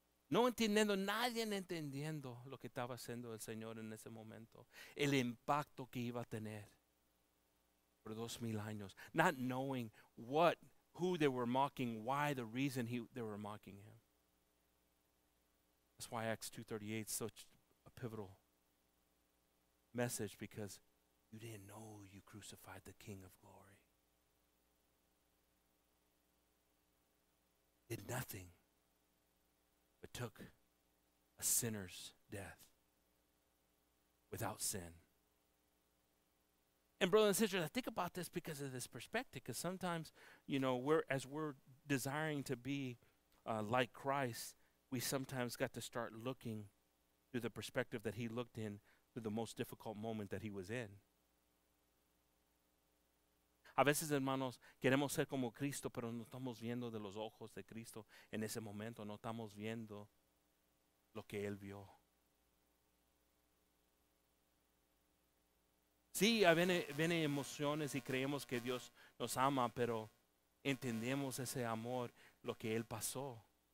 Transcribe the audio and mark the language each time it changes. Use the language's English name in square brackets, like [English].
[Spanish] No entendiendo, nadie entendiendo lo que estaba haciendo el Señor en ese momento. El impacto que iba a tener por 2,000 años. [English] Not knowing what, who they were mocking, why, the reason they were mocking him. That's why Acts 2:38 is such a pivotal message, because you didn't know you crucified the King of Glory. Did nothing but took a sinner's death without sin. And brothers and sisters, I think about this because of this perspective, because sometimes, you know, we're desiring to be like Christ, we sometimes got to start looking through the perspective that he looked in the most difficult moment that he was in. [Spanish] A veces, hermanos, queremos ser como Cristo, pero no estamos viendo de los ojos de Cristo en ese momento. No estamos viendo lo que él vio. Sí, viene emociones y creemos que Dios nos ama, pero entendemos ese amor, lo que él pasó.